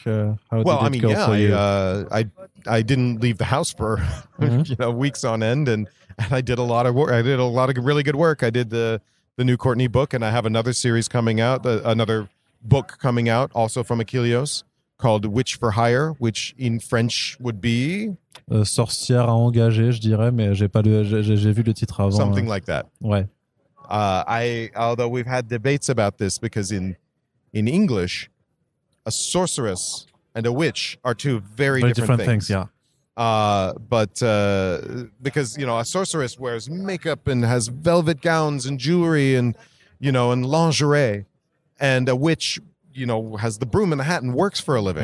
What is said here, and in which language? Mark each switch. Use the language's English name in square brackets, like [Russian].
[English] I didn't leave the house for you know, weeks on end, and I did a lot of work. I did a lot of really good work. I did the new Courtney book, and I have another series coming out, another book coming out, also from Akileos, called Witch for Hire, which in French would be... [French] Sorcière à engager, je dirais, mais j'ai vu le titre avant. [English] Something like that. [French] Ouais. [English] Although we've had debates about this, because in English, a sorceress and a witch are two very different things. Because, you know, a sorceress wears makeup and has velvet gowns and jewelry and, you know, and lingerie, and a witch, you know, has the broom and the hat and works for a living.